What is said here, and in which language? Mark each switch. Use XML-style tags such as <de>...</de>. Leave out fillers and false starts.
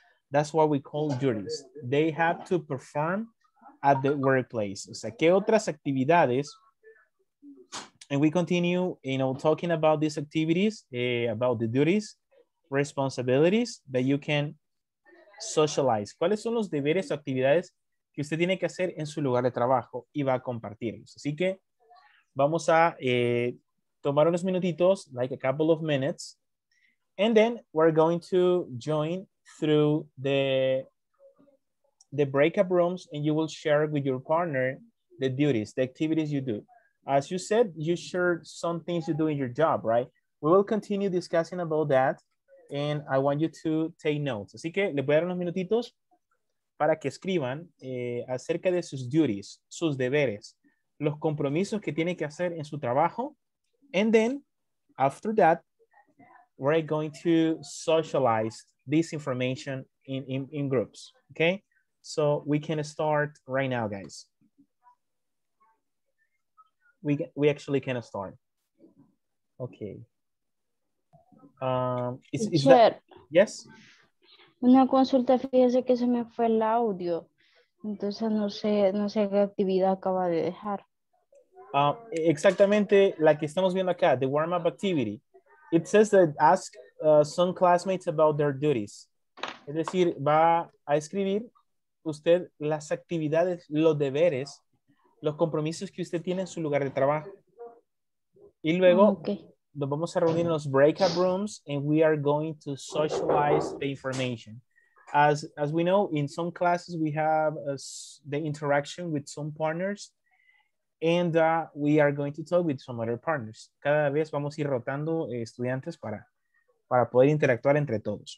<en>That's what we call duties. They have to perform at the workplace.</en> <es>O sea, ¿qué otras actividades?</es> <en>And we continue, you know, talking about these activities, about the duties, responsibilities that you can socialize.</en> <es>¿Cuáles son los deberes o actividades que usted tiene que hacer en su lugar de trabajo y va a compartir? Así que vamos a tomar unos minutitos,</es> <en>like a couple of minutes, and then we're going to join through the breakout rooms, and you will share with your partner the duties, the activities you do. As you said, you share some things you do in your job, right? We will continue discussing about that, and I want you to take notes.</en> <es>Así que le voy a dar unos minutitos para que escriban acerca de sus duties, sus deberes, los compromisos que tiene que hacer en su trabajo.</es> <en>And then after that, we're going to socialize this information in groups, okay? So we can start right now, guys. We actually can start. Okay. Is that, yes?</en> <es>Una consulta, fíjese que se me fue el audio. Entonces no sé qué actividad acaba de dejar. Exactamente la que estamos viendo acá,</es> <en>the warm-up activity. It says that ask some classmates about their duties.</en> <es>Es decir, va a escribir usted las actividades, los deberes, los compromisos que usted tiene en su lugar de trabajo. Y luego nos vamos a reunir en los breakout rooms</es> <en>and we are going to socialize the information. As we know, in some classes we have the interaction with some partners. And we are going to talk with some other partners.</en> <es>Cada vez vamos a ir rotando estudiantes para poder interactuar entre todos.</es>